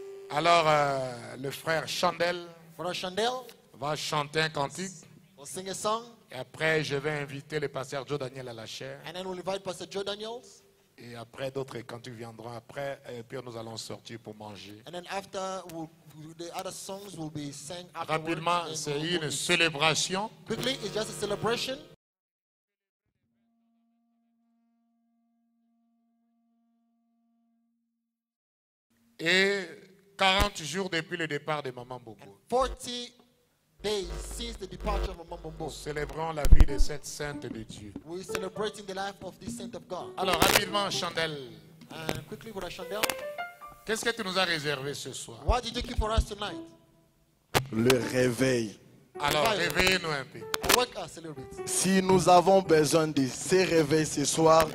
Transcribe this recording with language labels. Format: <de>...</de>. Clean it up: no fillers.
<fr>Alors le frère Chandel,</fr> <en>Brother Chandel</en> <fr>va chanter un cantique.</fr> <en>We'll sing a song.</en> <fr>Et après je vais inviter le pasteur Joe Daniel à la chaire.</fr> <en>And then we'll invite Pastor Joe Daniels.</en> <fr>Et après d'autres cantiques viendront après et puis nous allons sortir pour manger.</fr> <en>And then after the other songs will be sang afterwards.</en> <fr>Rapidement, c'est une célébration.</fr> <en>Quickly, it's just a celebration.</en> <fr>Et 40 jours depuis le départ de Maman Bobo.</fr> <en>40 days since the departure of Maman Bobo.</en> <fr>Nous célébrons la vie de cette sainte de Dieu.</fr> <en>We're celebrating the life of this saint of God.</en> <fr>Alors rapidement, Chandel.</fr> <en>Quickly, with a Chandel.</en> <fr>Qu'est-ce que tu nous as réservé ce soir?</fr> <en>What did you keep for us tonight?</en> <fr>Le réveil. Alors réveillez-nous un peu.</fr> <en>Wake us a little bit.</en> <fr>Si nous avons besoin de ces réveils ce soir,</fr>